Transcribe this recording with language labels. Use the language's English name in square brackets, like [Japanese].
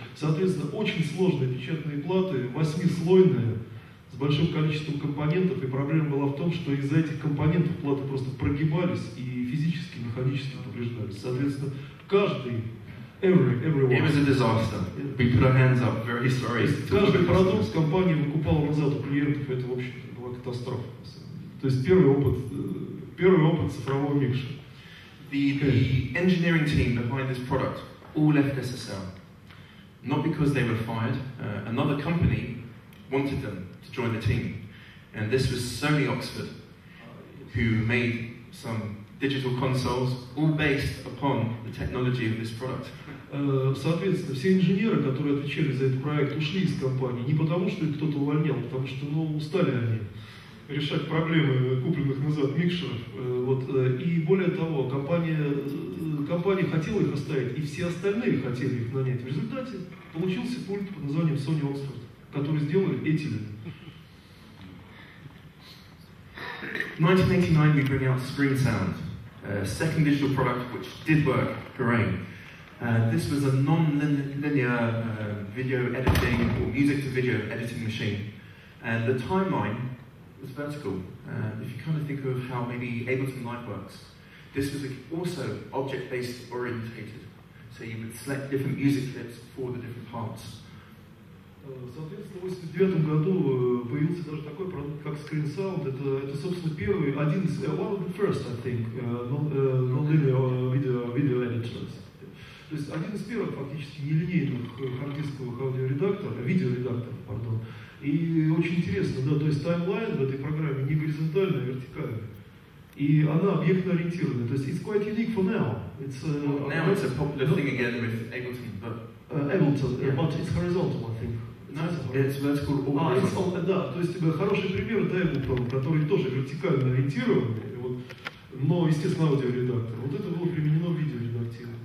[Russian] Соответственно, очень сложные печатные платы, восьмислойные, с большим количеством компонентов, и проблема была в том, что из-за этих компонентов платы просто прогибались и физически, механически повреждались. Соответственно, каждый [English] everyone. It was a disaster. We put our hands up, very sorry. [Russian] Каждый продукт компании выкупал назад у клиентов, это, в общем-то, была катастрофа. То есть первый опыт цифрового микша. [English] The engineering team behind this product all left SSL. Not because they were fired. Another company wanted them to join the team. And this was Sony Oxford, who made some digital consoles, all based upon the technology of this product. [Russian] Соответственно, все инженеры, которые отвечали за этот проект, ушли из компании. Не потому, что их кто-то увольнял, потому что, ну, устали они решать проблемы купленных назад микшеров. И более того, компания хотела их оставить, и все остальные хотели их нанять. В результате получился пульт под названием Sony Oxford, который сделали эти люди. [English] 1989, we bring out Screen Sound, second digital product, which did work, hooray. This was a non-linear video editing or music to video editing machine. And the timeline was vertical. If you kind of think of how maybe Ableton Live works, this was also object-based orientated. So you would select different music clips for the different parts. [Russian] Соответственно, в 89 году появился даже такой продукт, как Screen Sound. Это собственно, первый, один из, [English] one of the first, I think, non-linear video editors. [Russian] То есть один из первых фактически нелинейных хард-дисковых видеоредакторов. И очень интересно, да, то есть таймлайн в этой программе не горизонтальный, а вертикальный. И она объектно-ориентированная. То есть [English] it's quite unique for now. It's, now it's a popular thing again with Ableton, but... Ableton, but it's horizontal, I think. No, it's vertical or horizontal. [Russian] Ah, да, то есть хороший пример это Ableton, который тоже вертикально ориентированный, вот, но, естественно, аудиоредактор. Вот это было применено в видеоредакции.